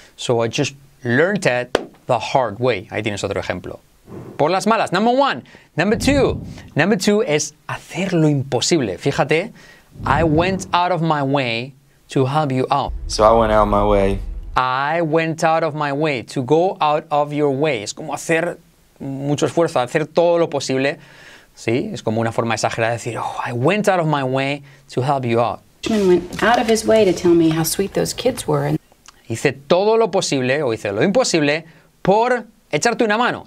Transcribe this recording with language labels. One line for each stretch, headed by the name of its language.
English: So I just learned it the hard way.
Spanish: Ahí tienes otro ejemplo. Por las malas.
English: Number one. Number two. Number two
Spanish: es hacer lo imposible. Fíjate.
English: I went out of my way to help you out. So I went out of my way. I went out of my way. To go out of your way.
Spanish: Es como hacer mucho esfuerzo, hacer todo lo posible. ¿Sí? Es como una forma exagerada de decir,
English: oh, I went out of my way to help you out. Richmond went out of his way to tell me how sweet those kids were.
Spanish: Hice todo lo posible, o hice lo imposible, por echarte una mano.